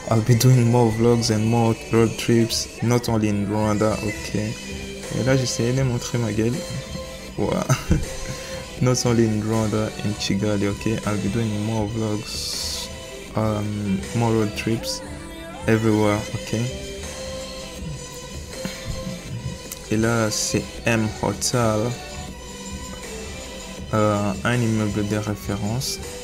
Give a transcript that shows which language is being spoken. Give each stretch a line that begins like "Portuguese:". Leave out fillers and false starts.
English: I'll be doing more vlogs and more road trips, not only in Rwanda, ok.
French: Et là, j'essayais de montrer ma gueule. Wow.
English: Not only in Rwanda, in Kigali, ok? I'll be doing more vlogs, more road trips, everywhere, ok?
French: Et là, c'est M Hotel, un immeuble de référence.